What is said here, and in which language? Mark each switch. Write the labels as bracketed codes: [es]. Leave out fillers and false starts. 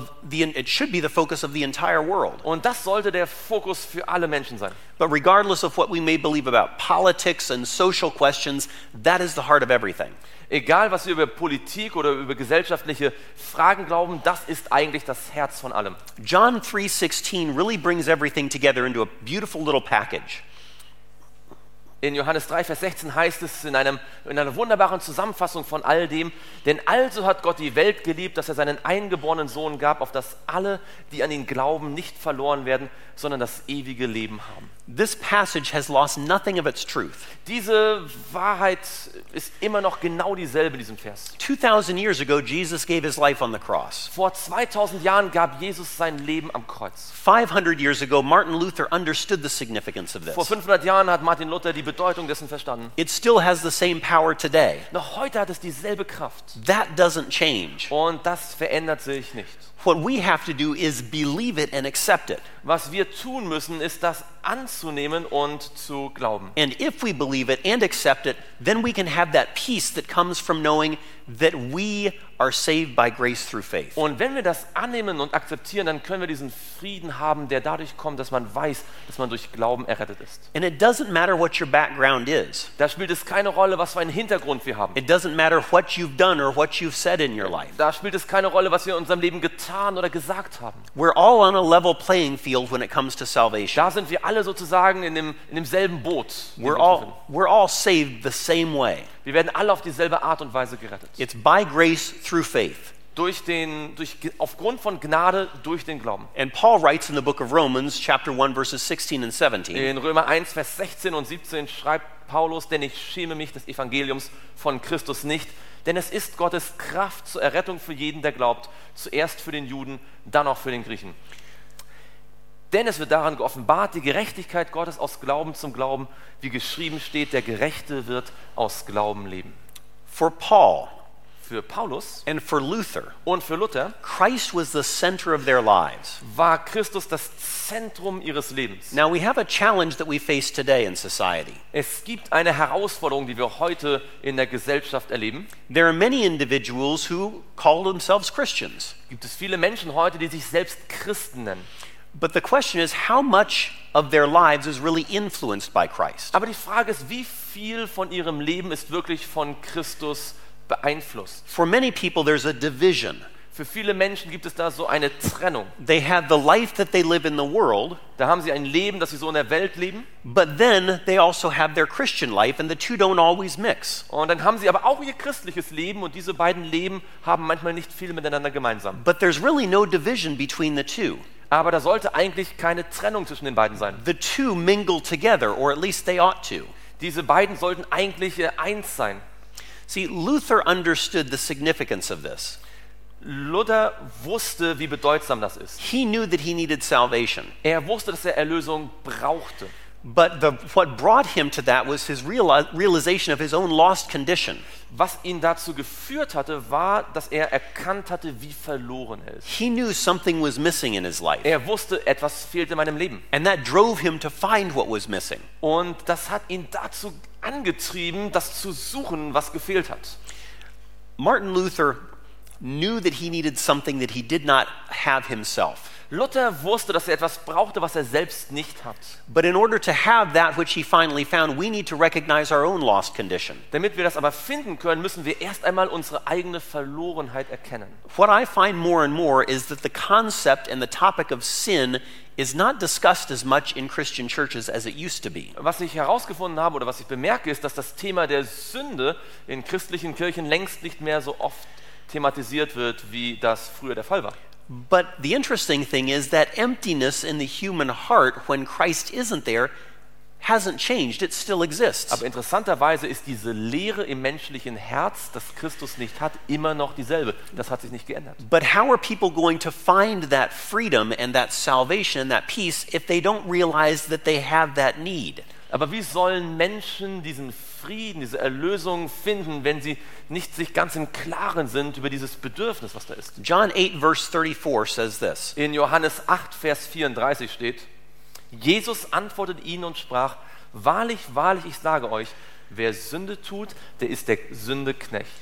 [en] It should be the focus of the entire world. [de] Und das sollte der Fokus für alle Menschen sein. [en] But regardless of what we may believe about politics and social questions, that is the heart of everything. [de] Egal, was wir über Politik oder über gesellschaftliche Fragen glauben, das ist eigentlich das Herz von allem. [en] John 3:16 really brings everything together into a beautiful little package. [de] In Johannes 3, Vers 16 heißt es in einer wunderbaren Zusammenfassung von all dem: Denn also hat Gott die Welt geliebt, dass er seinen eingeborenen Sohn gab, auf dass alle, die an ihn glauben, nicht verloren werden, sondern das ewige Leben haben. [en] This passage has lost nothing of its truth. [de] Diese Wahrheit ist immer noch genau dieselbe in diesem Vers. [en] 2000 years ago Jesus gave his life on the cross. [de] Vor 2000 Jahren gab Jesus sein Leben am Kreuz. [en] 500 years ago Martin Luther understood the significance of this. [de] Vor 500 Jahren hat Martin Luther die Bedeutung dessen verstanden. [en] It still has the same power today. [de] Noch heute hat es dieselbe Kraft. [en] That doesn't change. [de] Und das verändert sich nicht. [en] What we have to do is believe it and accept it. [de] Was wir tun müssen, ist das anzunehmen und zu glauben. [en] And if we believe it and accept it, then we can have that peace that comes from knowing that we are saved by grace through faith. [de] Und wenn wir das annehmen und akzeptieren, dann können wir diesen Frieden haben, der dadurch kommt, dass man weiß, dass man durch Glauben errettet ist. [en] And it doesn't matter what your background is. [de] Da spielt es keine Rolle, was für einen Hintergrund wir haben. [en] It doesn't matter what you've done or what you've said in your life. [de] Da spielt es keine Rolle, was wir in unserem Leben getan oder gesagt haben. [en] We're all on a level playing field when it comes to salvation. [de] Da sind wir alle sozusagen in demselben Boot. [en] We're all saved the same way. [de] Wir werden alle auf dieselbe Art und Weise gerettet. [en] It's by grace through faith. [de] Aufgrund von Gnade durch den Glauben. [en] And Paul writes in the book of Romans, chapter 1, verses 16 and 17. [de] In Römer 1, Vers 16 und 17 schreibt Paulus: Denn ich schäme mich des Evangeliums von Christus nicht, denn es ist Gottes Kraft zur Errettung für jeden, der glaubt, zuerst für den Juden, dann auch für den Griechen. Denn es wird daran geoffenbart, die Gerechtigkeit Gottes aus Glauben zum Glauben, wie geschrieben steht: Der Gerechte wird aus Glauben leben. [en] For Paul, [de] für Paulus [en] and for Luther, [de] und für Luther, [en] Christ was the center of their lives. [de] War Christus das Zentrum ihres Lebens. [en] Now we have a challenge that we face today in society. [de] Es gibt eine Herausforderung, die wir heute in der Gesellschaft erleben. [en] There are many individuals who call themselves Christians. [de] Gibt es viele Menschen heute, die sich selbst Christen nennen. [en] But the question is, how much of their lives is really influenced by Christ? [de] Aber die Frage ist, wie viel von ihrem Leben ist wirklich von Christus beeinflusst? [en] For many people, there's a division. [de] Für viele Menschen gibt es da so eine Trennung. [en] They have the life that they live in the world. [de] Da haben sie ein Leben, das sie so in der Welt leben. [en] But then they also have their Christian life, and the two don't always mix. [de] Und dann haben sie aber auch ihr christliches Leben, und diese beiden Leben haben manchmal nicht viel miteinander gemeinsam. [en] But there's really no division between the two. [de] Aber da sollte eigentlich keine Trennung zwischen den beiden sein. [en] The two mingle together, or at least they ought to. [de] Diese beiden sollten eigentlich eins sein. [en] See, Luther understood the significance of this. [de] Luther wusste, wie bedeutsam das ist. [en] He knew that he needed salvation. [de] Er wusste, dass er Erlösung brauchte. [en] But what brought him to that was his realization of his own lost condition. [de] Was ihn dazu geführt hatte, war, dass er erkannt hatte, wie verloren er ist. [en] He knew something was missing in his life. [de] Er wusste, etwas fehlte in meinem Leben. [en] And that drove him to find what was missing. [de] Und das hat ihn dazu angetrieben, das zu suchen, was gefehlt hat. [en] Martin Luther knew that he needed something that he did not have himself. [de] Luther wusste, dass er etwas brauchte, was er selbst nicht hat. [en] But in order to have that which he finally found, we need to recognize our own lost condition. [de] Damit wir das aber finden können, müssen wir erst einmal unsere eigene Verlorenheit erkennen. [en] What I find more and more is that the concept and the topic of sin is not discussed as much in Christian churches as it used to be. [de] Was ich herausgefunden habe oder was ich bemerke, ist, dass das Thema der Sünde in christlichen Kirchen längst nicht mehr so oft thematisiert wird, wie das früher der Fall war. [en] But the interesting thing is that emptiness in the human heart when Christ isn't there hasn't changed, it still exists. [de] Aber interessanterweise ist diese Leere im menschlichen Herz, das Christus nicht hat, immer noch dieselbe. Das hat sich nicht geändert. [en] But how are people going to find that freedom and that salvation and that peace if they don't realize that they have that need? [de] Aber wie sollen Menschen diesen Frieden, diese Erlösung finden, wenn sie nicht sich ganz im Klaren sind über dieses Bedürfnis, was da ist? [en] John 8, verse 34 says this. [de] In Johannes 8, Vers 34 steht, Jesus antwortet ihnen und sprach, wahrlich, wahrlich, ich sage euch, wer Sünde tut, der ist der Sünde Knecht.